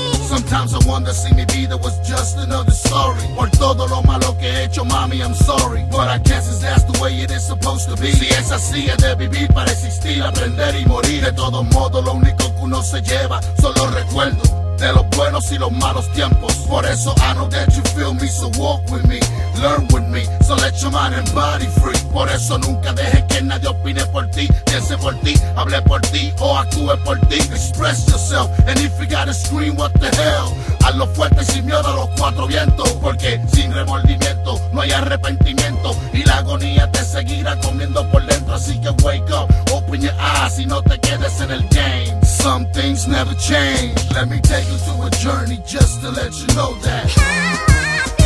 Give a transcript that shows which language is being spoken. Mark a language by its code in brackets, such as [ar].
[en] Sometimes I wonder [es] si mi vida [en] was just another story. [es] Por todo lo malo que he hecho, mami, [en] I'm sorry. But I guess that's the way it is supposed to be. [es] Si es así, es de vivir para existir, aprender y morir. De todo modo, lo único que uno se lleva son los recuerdos de los buenos y los malos tiempos. Por eso [en] I know that you feel me, so walk with me, learn with me. So let your mind and body free. [es] Por eso nunca dejes que nadie opine por ti, piense por ti, hable por ti o actúe por ti. [en] Express yourself, and if you gotta scream, what the hell. [es] Hazlo fuerte sin miedo a los cuatro vientos, porque sin remordimiento no hay arrepentimiento. Y la agonía te seguirá comiendo por dentro. Así que [en] wake up, open your eyes [es] y no te quedes en el game. [en] Some things never change. Let me take you to a journey just to let you know that.